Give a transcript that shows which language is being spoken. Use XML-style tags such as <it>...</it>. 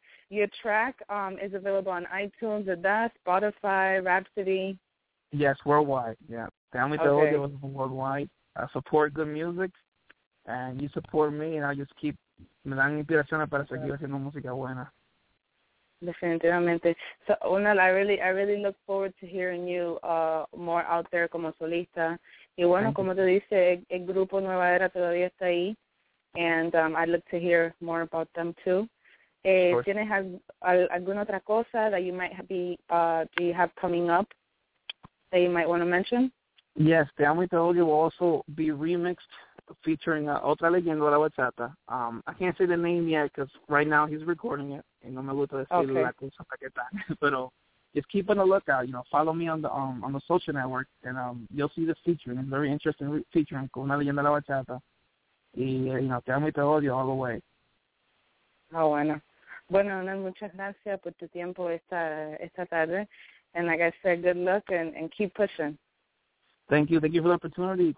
<en>Your track is available on iTunes, Spotify, Rhapsody. Yes, worldwide. Yeah. Family okay. Audio is worldwide. I support good music, and you support me, and I just keep.</en> <es>Me dan inspiración para seguir haciendo música buena. Definitivamente.</es> <en>So, Unal, I really look forward to hearing you more out there</en> <es>como solista. Y bueno, como te dice, el grupo Nueva Era todavía está ahí.</es> <en>And I'd love to hear more about them too.</en> <es>¿Tienes alguna otra cosa</es> <en>that you might be you have coming up that you might want to mention? Yes, Te Amo y Te Odio will also be remixed featuring</en> <es>otra leyenda de la bachata.</es> <en>I can't say the name yet because right now he's recording it.</en> <es>Y no me gusta decir</es> <en>okay.</en> <es>La cosa para que tal. Pero...</es> <en>just keep on the lookout, you know, follow me on the social network, and you'll see this featuring. It's a very interesting featuring</en> <es>con una leyenda de la bachata.</es> <en>Y, you know, Te Amo y Te Odio all the way.</en> <es>Oh, bueno. Bueno, Unal, muchas gracias por tu tiempo esta tarde.</es> <en>And like I said, good luck and keep pushing. Thank you. Thank you for the opportunity.</en>